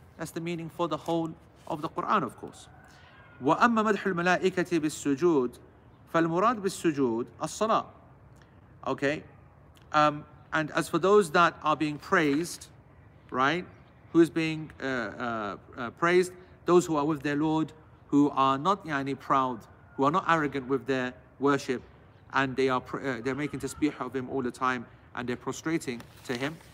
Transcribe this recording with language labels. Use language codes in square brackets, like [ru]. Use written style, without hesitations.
[en] That's the meaning for the whole of the Quran, of course. [ar] وأما مدح الملائكة بالسجود فالمراد بالسجود الصلاة. [en] Okay. And as for those that are being praised, right? Who is being praised? Those who are with their Lord, who are not yani proud, who are not arrogant with their worship, and they are they're making tasbih of him all the time, and they're prostrating to him.